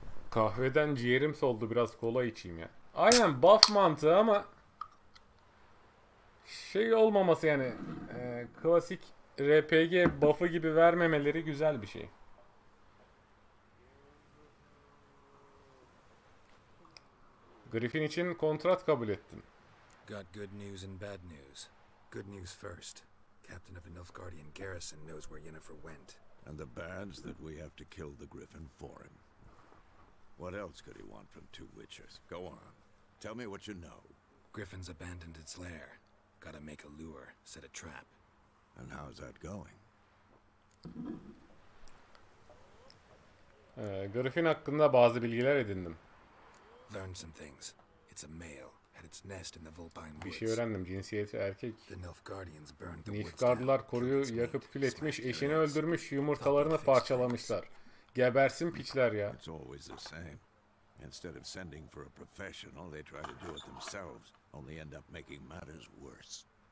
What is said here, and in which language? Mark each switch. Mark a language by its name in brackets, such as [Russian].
[Turkish] Kahveden ciğerim soldu, biraz kola içeyim ya. Aynen buff mantığı ama şey olmaması, yani klasik RPG buff'ı gibi vermemeleri güzel bir şey. Griffin için kontrat kabul ettim. [English] Got good news and bad news. Good news first. Captain of the Nilfgaardian garrison knows where Yennefer went. And the bad's that we have to kill the Griffin for him. What else could he want from two witchers? Go on. Tell me what you know. Griffin's abandoned its lair. Gotta make a lure, set a trap. And how's that going? [Turkish] Griffin hakkında bazı bilgiler edindim. [English] Learned some things. It's a male. Had its nest in the Vulpine Woods. [Turkish] Bir şey öğrendim. Cinsiyeti erkek. [English] The Nilfgaardians burned the [Turkish] Nilfgaardlar koruyu yakıp kül etmiş, eşini öldürmüş, yumurtalarını parçalamışlar. Gebersin piçler ya. [English] It's always the same. Instead of sending for a professional, they try to do it themselves, only end up making matters worse.